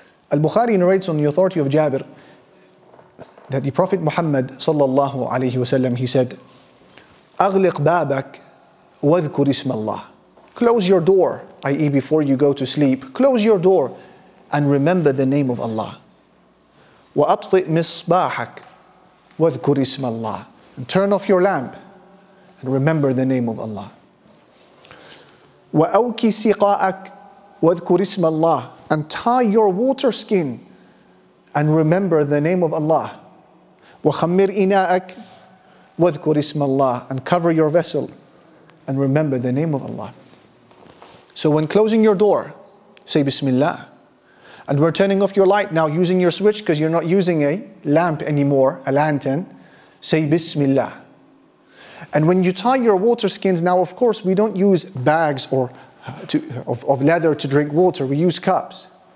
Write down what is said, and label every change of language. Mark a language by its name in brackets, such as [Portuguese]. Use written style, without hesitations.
[English] Al-Bukhari narrates on the authority of Jabir that the Prophet Muhammad sallallahu alayhi wa sallam, he said, [Arabic] أغلق بابك واذكر اسم الله. [English] Close your door, i.e. before you go to sleep, close your door and remember the name of Allah. [Arabic] وأطفئ مصباحك واذكر اسم الله. [English] And turn off your lamp and remember the name of Allah. [Arabic] وأوكي سقاءك واذكر اسم الله. [English] And tie your water skin and remember the name of Allah. [Arabic] وخمر إناءك وَذْكُرْ إِسْمَ اللَّهِ. [English] And cover your vessel and remember the name of Allah. So when closing your door, say Bismillah. and we're turning off your light now using your switch because you're not using a lamp anymore, a lantern, say Bismillah. And when you tie your water skins, now of course we don't use bags or of leather to drink water, we use cups.